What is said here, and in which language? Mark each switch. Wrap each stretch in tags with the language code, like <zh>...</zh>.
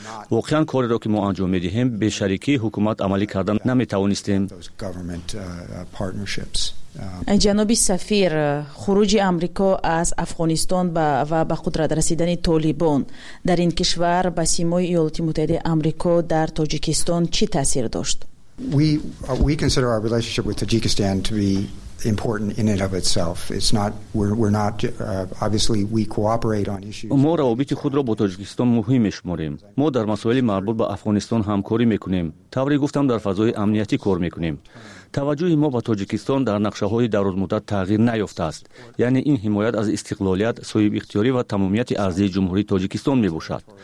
<fa>واقعا کاری را که ما انجام دهیم به شریکی حکومت عملی کردن نمی توانستیم. جناب سفیر، خروج آمریکا از افغانستان و به قدرت رسیدن طالبان در این کشور به سیمای ایالات متحده آمریکا در تاجیکستان چی تاثیر داشت؟</fa> <en>We consider our relationship with Tajikistan to be important in and of itself. It's not obviously we cooperate on issues.</en> <fa>ما روابط خود را با تاجیکستان مهم می‌شماریم. ما در مسائل مربوط به افغانستان همکاری می‌کنیم. طوری گفتم در فضای امنیتی کار می‌کنیم. توجه ما به تاجیکستان در نقشه‌های درازمدت تغییر نیافته است. یعنی این حمایت از استقلالیت، صاحب اختیاری و تمامیت ارضی جمهوری تاجیکستان می‌باشد.</fa>